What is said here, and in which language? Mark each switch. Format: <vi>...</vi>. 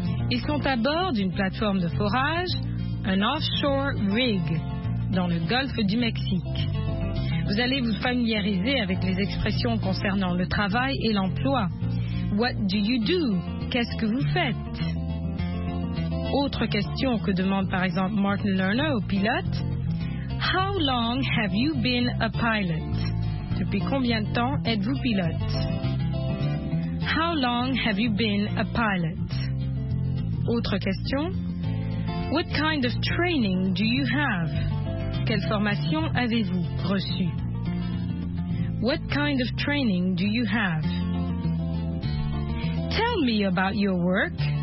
<fr>Ils sont à bord d'une plateforme de forage, un</fr> <en>offshore rig,</en> <fr>dans le golfe du Mexique. Vous allez vous familiariser avec les expressions concernant le travail et l'emploi.</fr> <en>What do you do?</en> <fr>Qu'est-ce que vous faites? Autre question que demande par exemple Martin Lerner au pilote.</fr> <en>How long have you been a pilot?</en> <fr>Depuis combien de temps êtes-vous pilote?</fr> <en>How long have you been a pilot?</en> <fr>Autre question.</fr> <en>What kind of training do you have?</en> <fr>Quelle formation avez-vous reçue?</fr> <en>What kind of training do you have? Tell me about your work.</en>